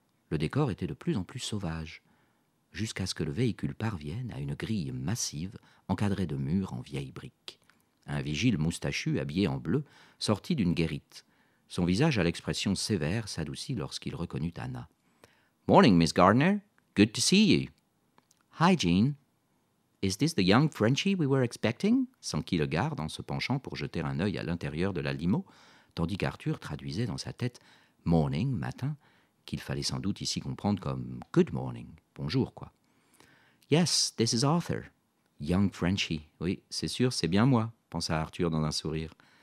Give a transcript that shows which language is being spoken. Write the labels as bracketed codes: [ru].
[fr] Le décor était de plus en plus sauvage, jusqu'à ce que le véhicule parvienne à une grille massive encadrée de murs en vieilles briques. Un vigile moustachu habillé en bleu sortit d'une guérite. Son visage à l'expression sévère s'adoucit lorsqu'il reconnut Anna. [en] « Morning, Miss Gardner. Good to see you. »« Hi, Jean. Is this the young Frenchie we were expecting ?» [fr] s'enquit le garde en se penchant pour jeter un œil à l'intérieur de la limo, tandis qu'Arthur traduisait dans sa tête « morning, matin », qu'il fallait sans doute ici comprendre comme « [en] good morning, [fr] bonjour, quoi. »« [en] Yes, this is Arthur. » Young Frenchie, [fr] oui, c'est sûr, c'est bien moi, pensa Arthur dans un sourire.